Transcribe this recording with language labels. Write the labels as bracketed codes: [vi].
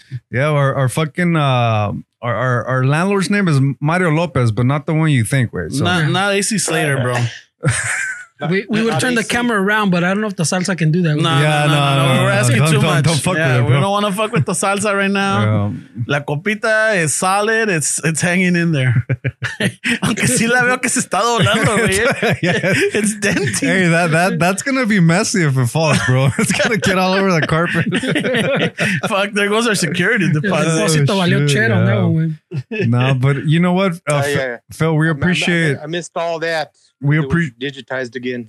[en] Yeah, our landlord's name is Mario Lopez, but not the one you think, right? So. Not AC Slater, bro. We would turn the camera around, but I don't know if the salsa can do that. No. We're asking too much. We don't want to fuck with the salsa right now. La copita is solid. It's hanging in there. [es] Aunque sí la veo que se está doblando, güey. [en] It's denting. Hey, that's going to be messy if it falls, bro. It's going to get all over the carpet. Fuck, there goes our security deposit. [es] Oh, shit, valió chero, yeah. [en] But you know what, Phil, we appreciate... I missed all that. Digitized again.